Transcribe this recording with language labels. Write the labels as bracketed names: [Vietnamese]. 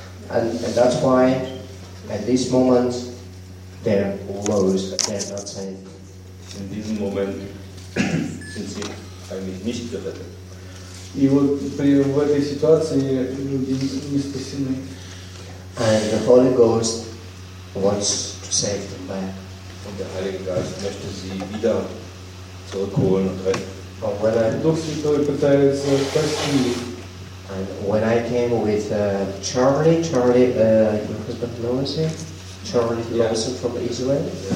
[English] And that's why at this moment they're lost. They're not saved. [German] In diesem Moment sind sie eigentlich nicht gerettet. [Russian] И вот при в этой ситуации люди не спасены. [English] And the Holy Ghost wants to save them back. [German] Und der Heilige Geist möchte sie wieder [English] And when I came with Charlie, your husband knows him? Charlie Lawson from Israel?